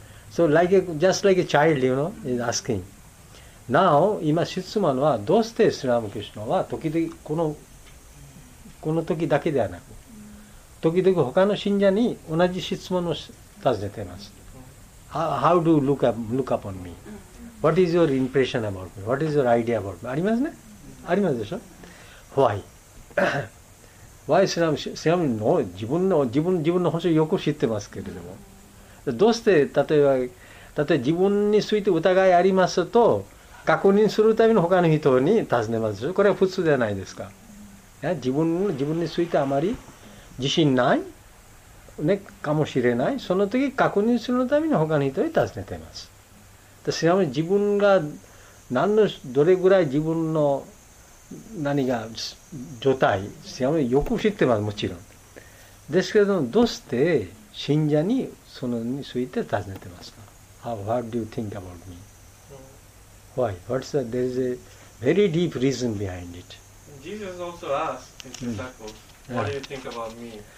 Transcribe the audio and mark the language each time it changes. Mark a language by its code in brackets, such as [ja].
[en] So, like a, just like a child, you know, is asking. Now, [ja] 今、シュツマンは、どうしてスラムクリシュナは、時々、この時だけではなく、時々他の信者に同じ質問を尋ねています。 [en] How do you look upon me? What is your impression about me? What is your idea about me? [ja] ありますね。ありますでしょ。 [en] Why? Why Sri Ramakrishna? [ja] 自分の本性をよく知ってますけれども。どうして例えば自分について疑いありますと確認するために他の人に尋ねますでしょ。これは普通ではないですか。自分についてあまり自信ない。ね、かもしれない。その時確認するのために他の人に尋ねています。ちなみに自分が何のどれぐらい自分の何が状態、ちなみによく知ってますもちろん。ですけれどもどうして信者にそのについて尋ねてますか。 [en] How do you think about me? Why? What's that? There is a very deep reason behind it. Jesus also asked his disciples, What do you think about me?